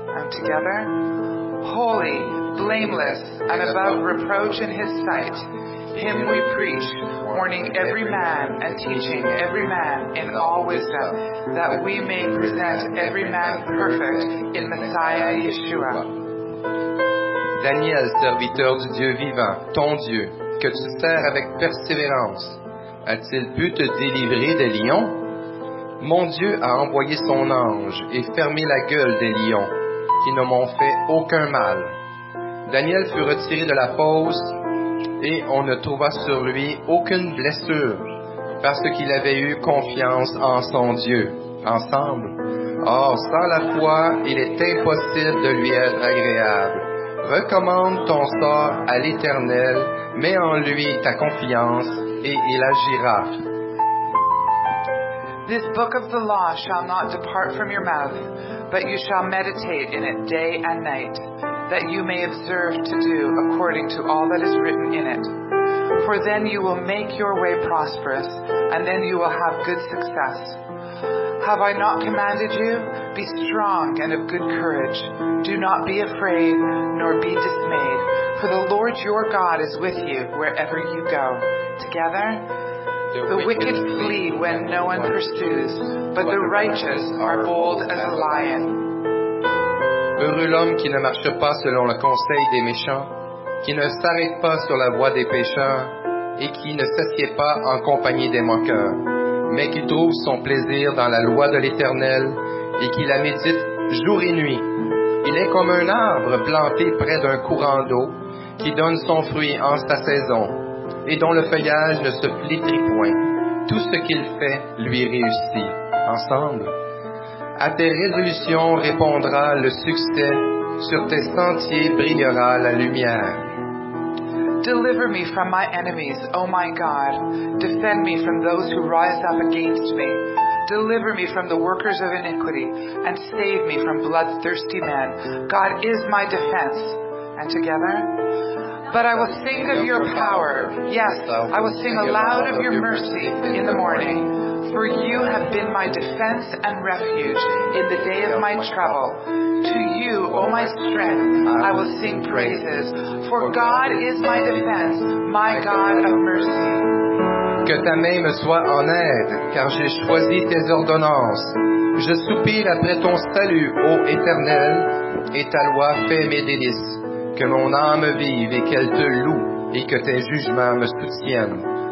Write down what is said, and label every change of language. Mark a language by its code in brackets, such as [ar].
[en] And together, holy, blameless, and above reproach in his sight, him we preach, warning every man and teaching every man in all wisdom, that we may present every man perfect in Messiah Yeshua. [fr] Daniel, serviteur du Dieu vivant, ton Dieu, que tu sers avec persévérance. A-t-il pu te délivrer des lions? Mon Dieu a envoyé son ange et fermé la gueule des lions, qui ne m'ont fait aucun mal. Daniel fut retiré de la fosse, et on ne trouva sur lui aucune blessure, parce qu'il avait eu confiance en son Dieu. Ensemble, Or, sans la foi, il est impossible de lui être agréable. Recommande ton sort à l'Éternel, mets en lui ta confiance, et il agira. [en] This book of the law shall not depart from your mouth, but you shall meditate in it day and night, that you may observe to do according to all that is written in it. For then you will make your way prosperous, and then you will have good success. Have I not commanded you? Be strong and of good courage. Do not be afraid, nor be dismayed, for the Lord your God is with you wherever you go. Together, the wicked flee when no one pursues, but the righteous are bold as a lion. [fr] Heureux l'homme qui ne marche pas selon le conseil des méchants, qui ne s'arrête pas sur la voie des pécheurs, et qui ne s'assied pas en compagnie des moqueurs, mais qui trouve son plaisir dans la loi de l'Éternel, et qui la médite jour et nuit. Il est comme un arbre planté près d'un courant d'eau, qui donne son fruit en sa saison, et dont le feuillage ne se flétrit point. Tout ce qu'il fait lui réussit. Ensemble. À tes résolutions répondra le succès, sur tes sentiers brillera la lumière. [en] Deliver me from my enemies, O my God. Defend me from those who rise up against me. Deliver me from the workers of iniquity, and save me from bloodthirsty men. God is my defense. And together? But I will sing of your power. Yes, I will sing aloud of your mercy in the morning. For you have been my defense and refuge in the day of my trouble. To you, O my strength, I will sing praises. For God is my defense, my God of mercy. [fr] Que ta main me soit en aide, car j'ai choisi tes ordonnances. Je soupire après ton salut, ô Éternel, et ta loi fait mes délices. Que mon âme vive et qu'elle te loue, et que tes jugements me soutiennent.